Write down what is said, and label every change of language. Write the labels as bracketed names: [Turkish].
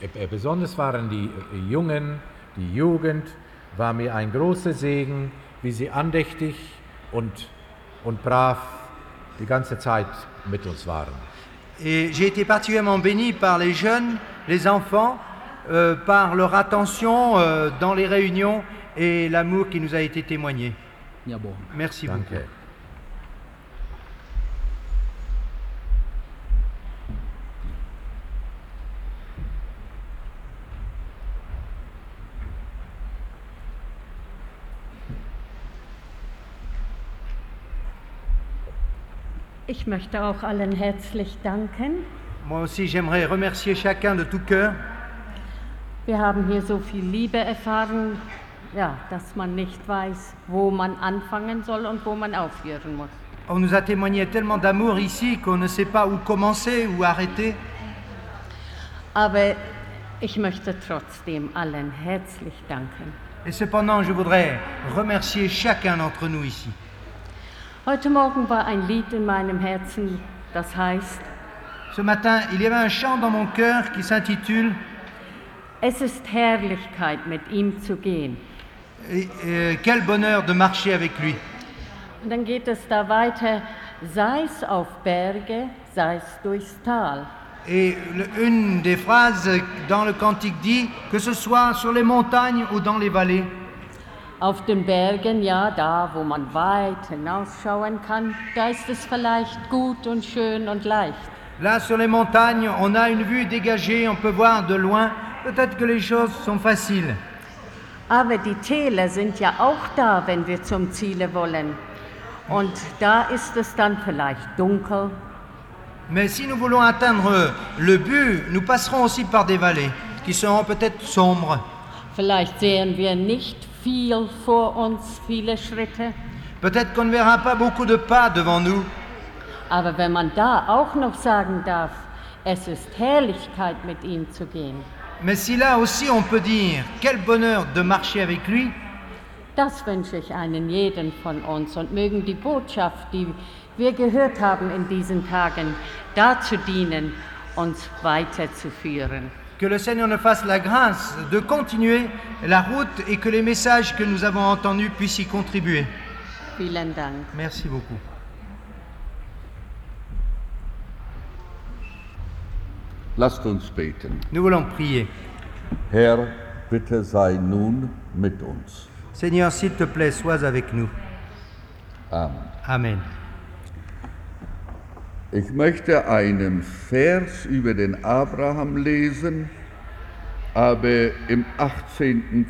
[German] Besonders waren die Jungen, die Jugend, war mir ein großer Segen, wie sie andächtig und brav die ganze Zeit mit uns waren. [French] Et j'ai été particulièrement béni par les jeunes, les enfants, par leur attention dans les réunions et l'amour qui nous a été témoigné. Merci beaucoup. [German] Danke. Ich möchte auch allen herzlich danken. [French] Moi aussi, j'aimerais remercier chacun de tout cœur. [German] Wir haben hier so viel Liebe erfahren, ja, dass man nicht weiß, wo man anfangen soll und wo man aufhören muss. [French] On nous a témoigné tellement d'amour ici qu'on ne sait pas où commencer ou arrêter. [German] Aber ich möchte trotzdem allen herzlich danken. [French] Et cependant, je voudrais remercier chacun d'entre nous ici. [German] Heute Morgen war ein Lied in meinem Herzen, das heißt, [French] ce matin, il y avait un chant dans mon cœur qui s'intitule [German] Es ist Herrlichkeit, mit ihm zu gehen. [French] Quel bonheur de marcher avec lui. [German] Und dann geht es da weiter, sei es auf Berge, sei es durchs Tal. [French] Et une des phrases dans le cantique dit que ce soit sur les montagnes ou dans les vallées. [German] Auf den Bergen, ja, da wo man weit hinausschauen kann, da ist es vielleicht gut und schön und leicht. [French] Là sur les montagnes, on a une vue dégagée, on peut voir de loin, peut-être que les choses sont faciles. [German] Aber die Täler sind ja auch da, wenn wir zum Ziele wollen. Und da ist es dann vielleicht dunkel. [French] Mais si nous voulons atteindre le but, nous passerons aussi par des vallées qui seront peut-être sombres. [German] Vielleicht sehen wir nicht viel vor uns, viele Schritte. [French] Peut-être qu'on ne verra pas beaucoup de pas devant nous. [German] Aber wenn man da auch noch sagen darf, es ist Herrlichkeit mit ihm zu gehen. [French] Mais si là aussi on peut dire, quel bonheur de marcher avec lui. [German] Das wünsche ich einen jeden von uns und mögen die Botschaft, die wir gehört haben in diesen Tagen, dazu dienen, uns weiterzuführen. [French] Que le Seigneur nous fasse la grâce de continuer la route et que les messages que nous avons entendus puissent y contribuer. [German] Vielen Dank. [French] Merci beaucoup. [German] Lasst uns beten. [French] Nous voulons prier. [German] Herr, bitte sei nun mit uns. [French] Seigneur, s'il te plaît, sois avec nous. [German] Amen. [French] Amen. [German] Ich möchte einen Vers über den Abraham lesen, aber im 18.